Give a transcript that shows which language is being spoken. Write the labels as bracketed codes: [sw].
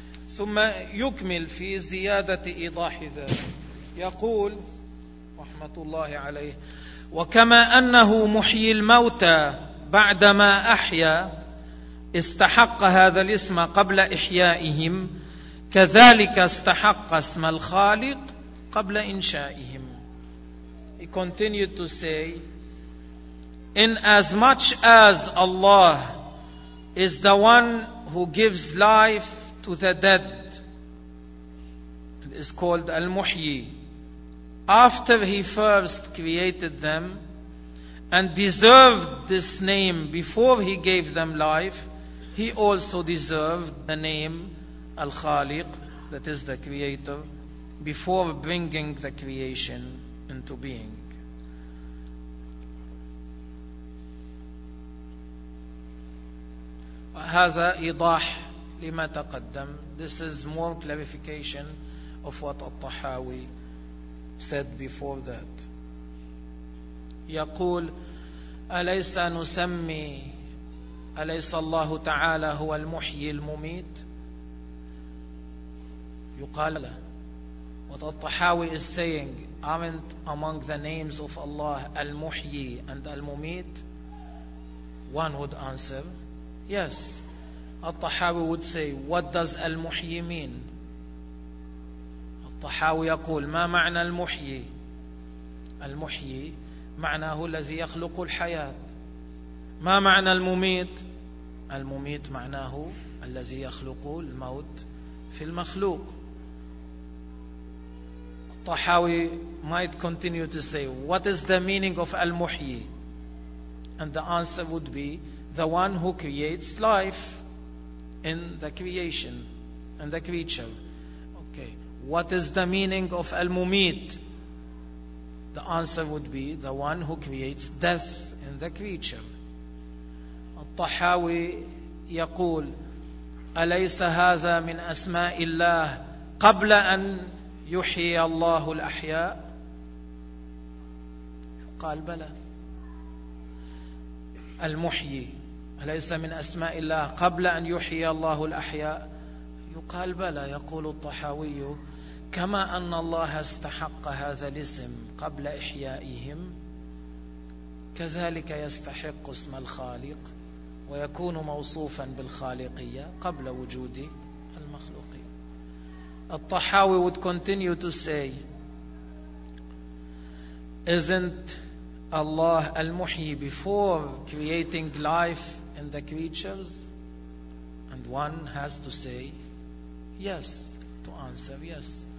[ar] ثم يكمل في زيادة إيضاح ذلك يقول رحمة الله عليه وكما أنه محيي الموتى بعدما أحيا استحق هذا الاسم قبل إحيائهم كذلك استحق اسم الخالق قبل إنشائهم. [en] He continued to say, in as much as Allah is the one who gives life to the dead, it is called Al-Muhyi, after he first created them and deserved this name before he gave them life, he also deserved the name Al-Khaliq, that is the creator, before bringing the creation into being. [ar] هذا إيضاح لما تقدم. [en] This is more clarification of what Al-Tahawi said before that. [ar] يقول أليس نسمي أليس الله تعالى هو المحيي المميت. يقال له. [en] What Al-Tahawi is saying, aren't among the names of Allah المحيي and المميت? One would answer, yes. Al-Tahawi would say, what does Al-Muhyi mean? [ar] Al-Tahawi يقول ما معنى المحيي؟ المحيي معناه الذي يخلق الحياة. ما معنى المميت؟ المميت معناه الذي يخلق الموت في المخلوق. [en] Al-Tahawi might continue to say, what is the meaning of Al-Muhyi? And the answer would be, the one who creates life in the creation and the creature. Okay, what is the meaning of Al-Mumit? The answer would be the one who creates death in the creature. [ar] Al-Tahawi يقول أليس هذا من أسماء الله قبل أن يحيي الله الأحياء؟ قال بلى. المحيي أليس من أسماء الله قبل أن يحيي الله الأحياء؟ يقال بلى. يقول الطحاوي كما أن الله استحق هذا الاسم قبل إحيائهم كذلك يستحق اسم الخالق ويكون موصوفا بالخالقية قبل وجود المخلوقين. [en] الطحاوي would continue to say, isn't Allah المحيي before creating life in the creatures? And one has to say yes, to answer yes.